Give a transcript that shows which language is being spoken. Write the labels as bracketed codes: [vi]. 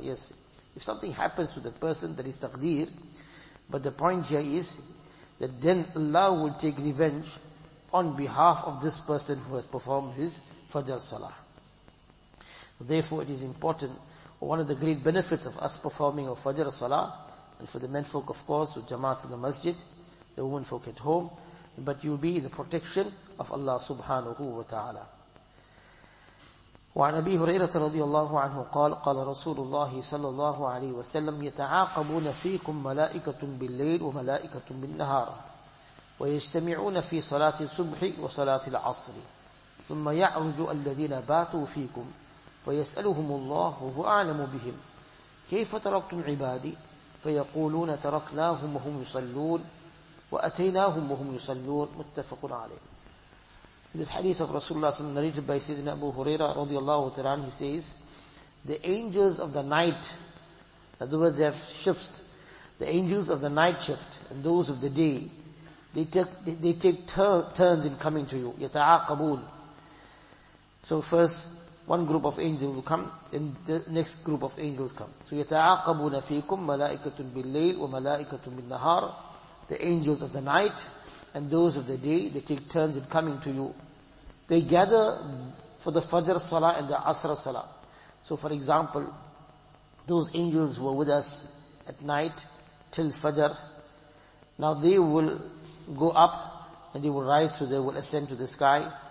[en] Yes, if something happens to the person, that is taqdeer. But the point here is that then Allah will take revenge on behalf of this person who has performed his Fajr Salah. Therefore it is important, one of the great benefits of us performing a Fajr Salah, and for the men folk, of course, with Jamaat in the masjid, the women folk at home, but you be the protection of Allah subhanahu wa ta'ala. [ar] وعن أبي هريرة رضي الله عنه قال قال رسول الله صلى الله عليه وسلم يتعاقبون فيكم ملائكة بالليل وملائكة بالنهار ويجتمعون في صلاة الصبح وصلاة العصر ثم يعرج الذين باتوا فيكم فيسألهم الله وهو أعلم بهم كيف تركتم عبادي فيقولون تركناهم وهم يصلون وأتيناهم وهم يصلون. متفق عليه. [en] In this hadith of Rasulullah SAW narrated by Sayyidina Abu Huraira رضي الله تعالى عنه, he says, the angels of the night, in other words they have shifts, the angels of the night shift and those of the day, they take turns in coming to you. [ar] يتعاقبون. [en] So first one group of angels will come, then the next group of angels come. So [ar] يتعاقبون فيكم ملائكة بالليل وملائكة بالنهار. [en] The angels of the night and those of the day, they take turns in coming to you. They gather for the Fajr Salah and the Asr Salah. So for example, those angels who are with us at night till Fajr, now they will go up and they will rise, so they will ascend to the sky.